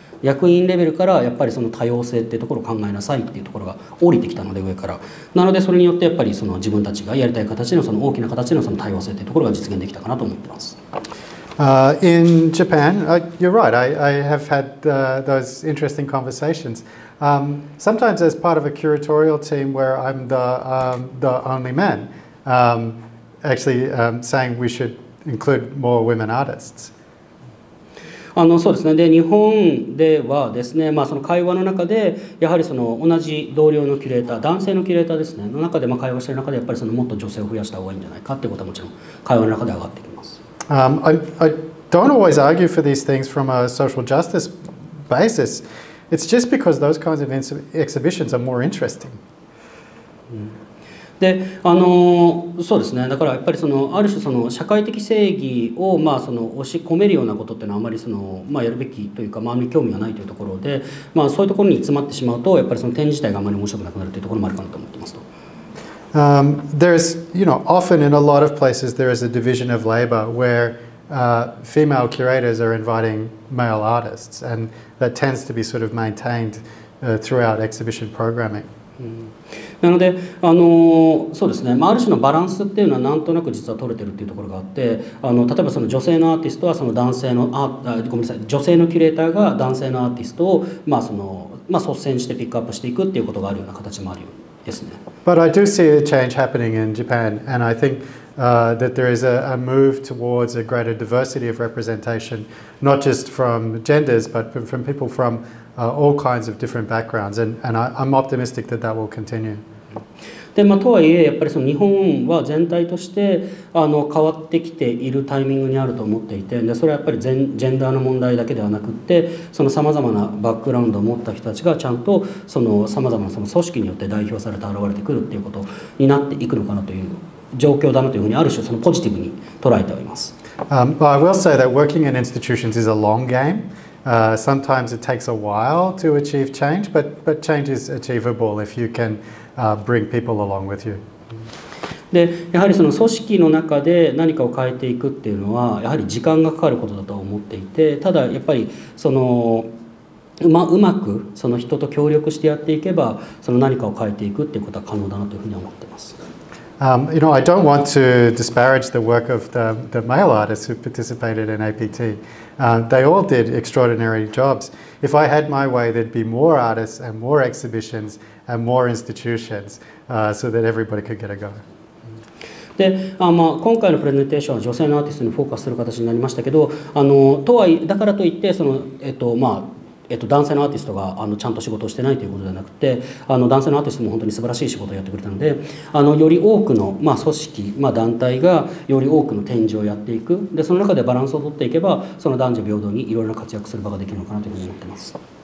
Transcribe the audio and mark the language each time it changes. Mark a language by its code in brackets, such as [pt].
[ja] 役員レベルからやっぱりその多様性っていうところを考えなさいっていうところが降りてきたので、上からなので、それによってやっぱりその自分たちがやりたい形 の, その大きな形 の, その多様性っていうところが実現できたかなと思ってます。 [en] In Japan,you're right, I have had those interesting conversations. Sometimes as part of a curatorial team where I'm the only man, saying we should include more women artists. [ja] あのそうですね、で日本ではですね、まあ、その会話の中でやはりその同じ同僚のキュレーター、男性のキュレーターですねの中で、まあ、会話している中でやっぱりそのもっと女性を増やした方がいいんじゃないかっていうことはもちろん会話の中で上がってきます。 [en] I don't always argue for these things from a social justice basis. It's just because those kinds of exhibitions are more interesting. [ja] で、そうですね、だからやっぱりそのある種その社会的正義をまあその押し込めるようなことっていうのはあまりその、まあ、やるべきというか、まあ、あまり興味がないというところで、まあ、そういうところに詰まってしまうとやっぱりその展示自体があまり面白くなくなるというところもあるかなと思ってますと。 [en] There is, you know, often in a lot of places there is a division of labor where female curators are inviting male artists, and that tends to be sort of maintained throughout exhibition programming. [ja] なので、そうですね、ある種のバランスっていうのはなんとなく実は取れてるっていうところがあって、例えばその女性のアーティストはその男性のごめんなさい、女性のキュレーターが男性のアーティストを、まあそのまあ、率先してピックアップしていくっていうことがあるような形もあるようですね。 [en] But I do see a change happening in Japan, and I think that there is a move towards a greater diversity of representation, not just from genders, but from people fromall kinds of different backgrounds, and I'm optimistic that that will continue. [ja] で、まあ、とはいえ、やっぱりその日本は全体として変わってきているタイミングにあると思っていて、でそれはやっぱりジェンダーの問題だけではなくって、そのさまざまなバックグラウンドを持った人たちがちゃんとそのさまざまなその組織によって代表されて現れてくるっていうことになっていくのかなという状況だなというふうに、ある種そのポジティブに捉えております。 [en] But I will say that working in institutions is a long game. Sometimes it takes a while to achieve change, but change is achievable if you can bring people along with you. [ja] で、やはりその組織の中で何かを変えていくっていうのは、やはり時間がかかることだと思っていて、ただやっぱりそのうまくその人と協力してやっていけば、その何かを変えていくっていうことは可能だなというふうに思っています。 [en] You know, I don't want to disparage the work of the male artists who participated in APT. They all did extraordinary jobs. If I had my way, there'd be more artists and more exhibitions and more institutions so that everybody could get a go. [ja] で、まあ、今回のプレゼンテーションは女性のアーティストにフォーカスする形になりましたけど、とはだからといって、その、まあ男性のアーティストがちゃんと仕事をしてないということではなくて、男性のアーティストも本当に素晴らしい仕事をやってくれたので、より多くの、まあ、組織、まあ、団体がより多くの展示をやっていく、でその中でバランスを取っていけば、その男女平等にいろいろな活躍する場ができるのかなというふうに思っています。